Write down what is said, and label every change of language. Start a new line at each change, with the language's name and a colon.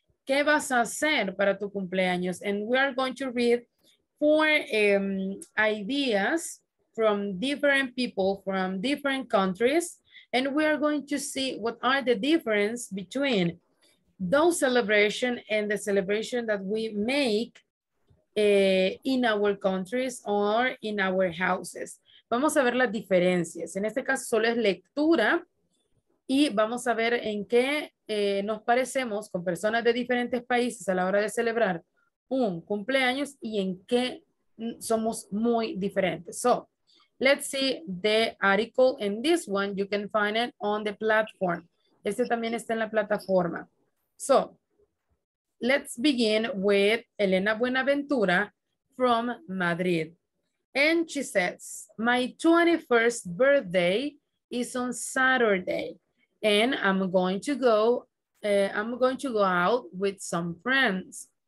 Spanish: ¿Qué vas a hacer para tu cumpleaños?
English: And we are going to read four ideas from different people from different countries. And we are going to see what are the differences between those celebration and the celebration that we make in our countries or in our houses.
Spanish: Vamos a ver las diferencias. En este caso solo es lectura y vamos a ver en qué nos parecemos con personas de diferentes países a la hora de celebrar un cumpleaños y en qué somos muy diferentes.
English: So, let's see the article in this one. You can find it on the platform.
Spanish: Este también está en la plataforma.
English: So, let's begin with Elena Buenaventura from Madrid. And she says, my 21st birthday is on Saturday and I'm going to go out with some friends.